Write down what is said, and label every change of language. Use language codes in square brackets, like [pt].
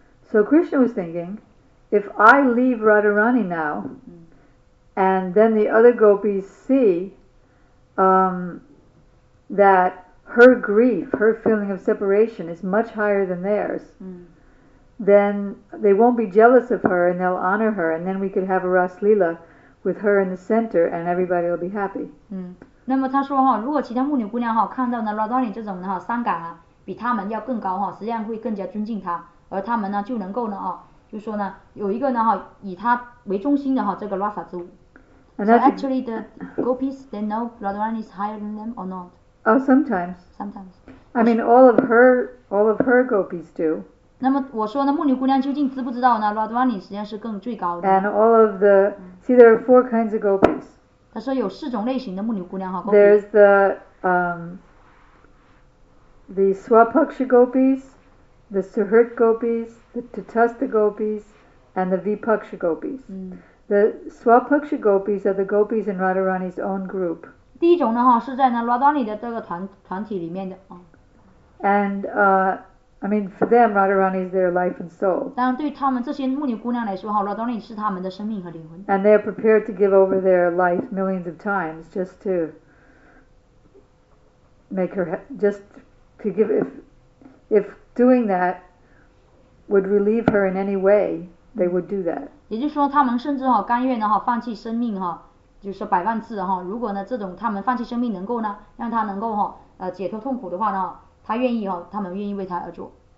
[en] So Krishna was thinking, if I leave Radharani now, and then the other gopis see, that her grief, her feeling of separation is much higher than theirs, then they won't be jealous of her and they'll honor her, and then we could have a Raslila. With her in the center, and everybody will be happy. [zh] 那么他说哈，如果其他牧牛姑娘哈看到呢 Radharani 这种的哈伤感比他们要更高哈，实际上会更加尊敬他，而他们呢就能够呢就说呢有一个呢哈以他为中心的哈这个 Rasa 之舞。 [en] And that's so actually, the gopis they know Radharani is higher than them or not? Oh, sometimes. Sometimes. I mean, all of her gopis do. [zh] 那么我说呢，牧牛姑娘究竟知不知道呢 Radharani 实际上是更最高的 [en] ？And all of the See, there are four kinds of gopis. [zh] 他说有四种类型的牧牛姑娘哈。 [en] There's the Swapaksha gopis, the Sahrit gopis, the Tatastha gopis, and the Vipaksha gopis. The Swapaksha gopis are the gopis in Radharani's own group. [zh] 第一种呢哈是在那 Radharani 的这个团体里面的 [en] And I mean, for them, Radharani is their life and soul. [zh] 但对他们这些牧牛姑娘来说哈 ，Radharani 是他们的生命和灵魂。 [en] And they are prepared to give over their life millions of times just to make her just to give if doing that would relieve her in any way, they would do that. [zh] 也就是说，他们甚至甘愿放弃生命就是说百万次哈，如果呢这种他们放弃生命能够呢让他能够哈解脱痛苦的话呢，他愿意哈，他们愿意为他而做。